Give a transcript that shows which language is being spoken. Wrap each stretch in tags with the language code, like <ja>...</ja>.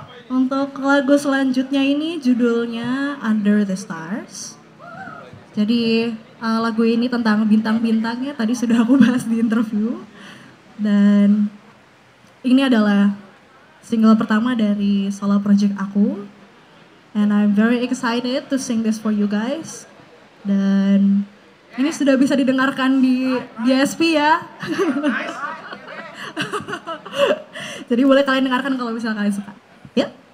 <id>Untuk lagu selanjutnya ini judulnya Under the Stars. Jadi lagu ini tentang bintang-bintangnya tadi sudah aku bahas di interview. Dan ini adalah single pertama dari solo project aku.</id> <en>And I'm very excited to sing this for you guys.</en> <id>Dan ini sudah bisa didengarkan di DSP ya. Jadi boleh kalian dengarkan kalau misalnya kalian suka. Ya.</id>